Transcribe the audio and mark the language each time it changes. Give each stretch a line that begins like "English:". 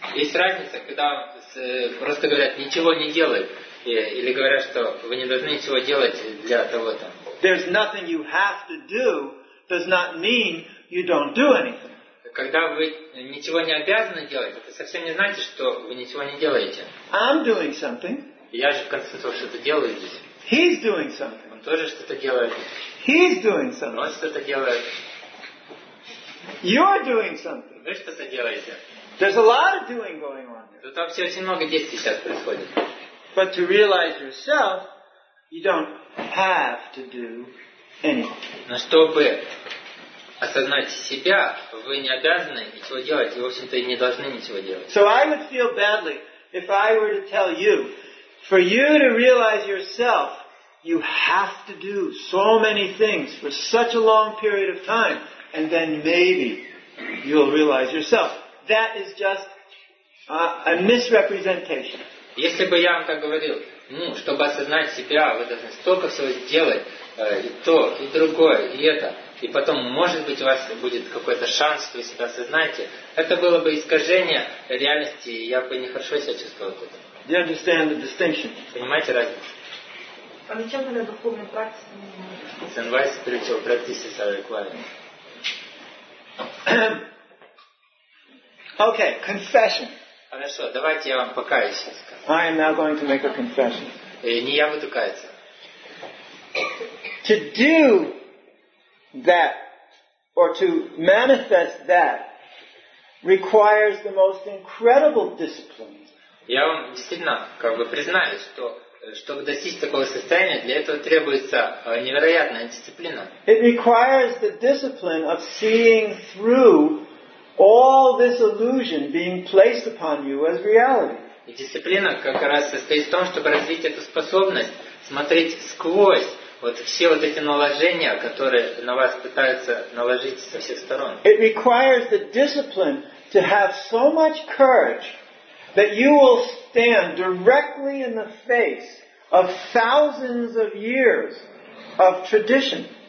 Russian: Есть разница, когда просто говорят ничего не делай, или говорят, что вы не должны ничего делать для того-то.
English: There's nothing you have to do does not mean you don't do anything.
Russian: Когда вы ничего не обязаны делать, это совсем не значит, что вы ничего не делаете.
English: I'm doing something.
Russian: Я же в конце концов что-то делаю здесь.
English: He's doing something.
Russian: Он тоже что-то делает.
English: He's doing something.
Russian: Он что-то делает.
English: You're doing something.
Russian: Вы что-то делаете.
English: There's a lot of doing going on here.
Russian: Тут вообще очень много действий сейчас происходит.
English: But to realize yourself, you don't have to do anything.
Russian: Но чтобы осознать себя, вы не обязаны ничего делать, и в общем-то и не должны ничего делать.
English: So I would feel badly if I were to tell you, for you to realize yourself, you have to do so many things for such a long period of time, and then maybe you'll realize yourself. That is just a misrepresentation.
Russian: Если бы я вам так говорил, чтобы осознать себя, вы должны столько всего сделать, и то, и другое, и это, и потом, может быть, у вас будет какой-то шанс, что вы себя осознаете, это было бы искажение реальности, и я бы нехорошо себя чувствовал тут.
English: You understand the distinction?
Russian: Понимаете разницу? А зачем тогда духовные практики не знают?
English: It's advice spiritual practices are required. Okay, confession.
Russian: Хорошо, давайте я вам покаюсь.
English: I am now going to make a confession.
Russian: Не я буду каяться.
English: To do that or to manifest that requires the most incredible discipline.
Russian: Я вам действительно как бы признаюсь, что чтобы достичь такого состояния, для этого требуется невероятная дисциплина.
English: It requires the discipline of seeing through all this illusion being placed upon you as reality.
Russian: И дисциплина как раз состоит в том, чтобы развить эту способность смотреть сквозь вот все вот эти наложения, которые на вас пытаются наложить со всех сторон.
English: It requires the discipline to have so much courage that you will stand directly in the face of thousands of years of tradition.